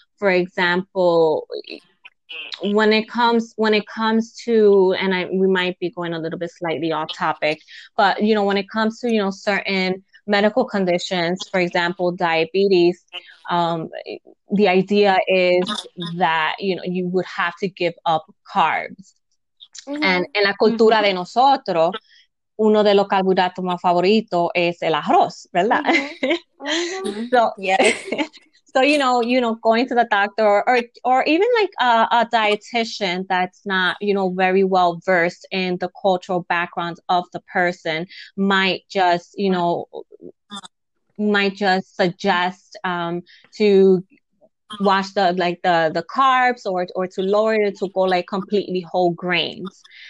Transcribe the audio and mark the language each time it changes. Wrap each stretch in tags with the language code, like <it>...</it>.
<en>For example, when it comes to, and we might be going a little bit slightly off topic, but when it comes to certain medical conditions, for example, diabetes, the idea is that you would have to give up carbs.</en> <es>And en la cultura de nosotros, uno de los carbohidratos más favoritos es el arroz, ¿verdad?</es> <en>So, going to the doctor or even like a dietitian that's not, very well versed in the cultural background of the person might just suggest to wash the carbs or to lower it, to go like completely whole grains.</en>